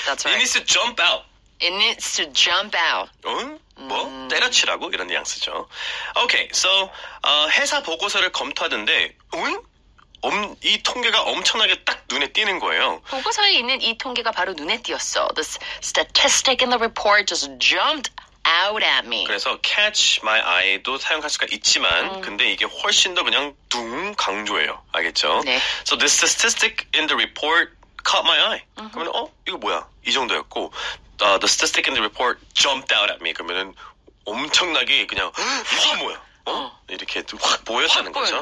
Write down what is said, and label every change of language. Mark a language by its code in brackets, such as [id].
[en] That's right. It needs to jump out. It needs to jump out. [ko] 응? 뭐? 때려치라고? 이런 뉘앙스죠. Okay. So 회사 보고서를 검토하는데 응? 이 통계가 엄청나게 딱 눈에 띄는 거예요. 보고서에 있는 이 통계가 바로 눈에 띄었어. [en] This statistic in the report just jumped out at me. [ko] 그래서 catch my eye도 사용할 수가 있지만 근데 이게 훨씬 더 그냥 둥 강조해요. 알겠죠? 네. [en] So this statistic in the report caught my eye. [ko] 그러면 이거 뭐야? 이 정도였고 [en] the statistic in the report jumped out at me. [ko] 그러면 엄청나게 그냥 이게 뭐야? 이렇게 확 보였다는 거죠.